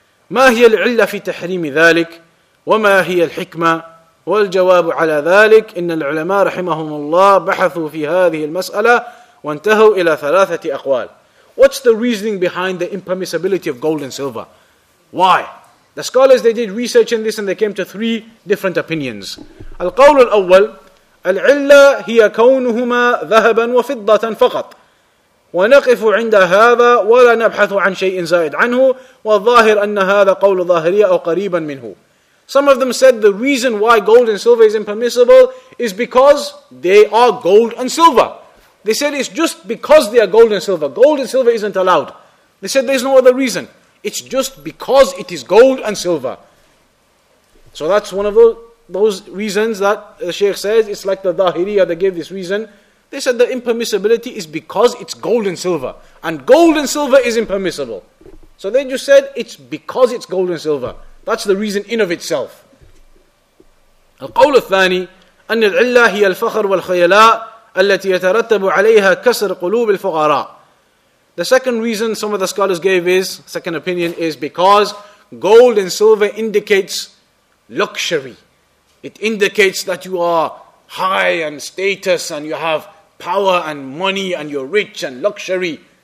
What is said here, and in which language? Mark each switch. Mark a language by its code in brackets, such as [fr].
[ar] ما هي العلة في تحريم ذلك وما هي الحكمة والجواب على ذلك إن العلماء رحمهم الله بحثوا في هذه المسألة وانتهوا إلى ثلاثة أقوال. [en] What's the reasoning behind the impermissibility of gold and silver? Why? The scholars, they did research in this and they came to three different opinions. [ar] القول الأول العلة هي كونهما ذهبا وفضة فقط ونقف عند هذا ولا نبحث عن شيء زائد عنه والظاهر أن هذا قول ظاهري أو قريبا منه. [en] Some of them said the reason why gold and silver is impermissible is because they are gold and silver. They said it's just because they are gold and silver. Gold and silver isn't allowed. They said there's no other reason. It's just because it is gold and silver. So that's one of those reasons that the Shaykh says it's like the Dahiriya that gave this reason. They said the impermissibility is because it's gold and silver. And gold and silver is impermissible. So they just said it's because it's gold and silver. That's the reason in of itself. [ar] القول الثاني أن العلة هي الفخر والخيلاء التي يترتب عليها كسر قلوب الفقراء. [en] The second reason some of the scholars gave is, second opinion is because gold and silver indicates luxury. It indicates that you are high and status and you have power and money and you're rich and luxury.